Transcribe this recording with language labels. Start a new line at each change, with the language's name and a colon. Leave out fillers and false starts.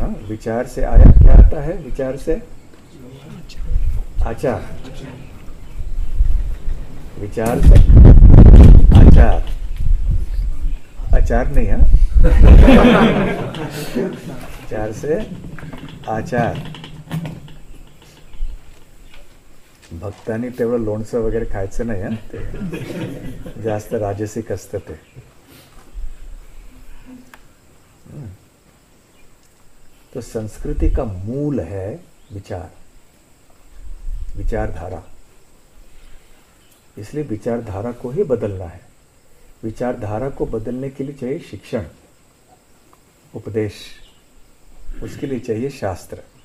Hindi: हाँ, विचार से आया क्या आता है? विचार से आचार, विचार से आचार, आचार नहीं है, विचार से आचार।
Marathi: भक्तानी तेवर लोणचं वगैरे खायचं नाही हा, ते जास्त राजसिक असत ते।
Hindi: तो संस्कृति का मूल है विचार, विचारधारा। इसलिए विचारधारा को ही बदलना है। विचारधारा को बदलने के लिए चाहिए शिक्षण, उपदेश, उसके लिए चाहिए शास्त्र।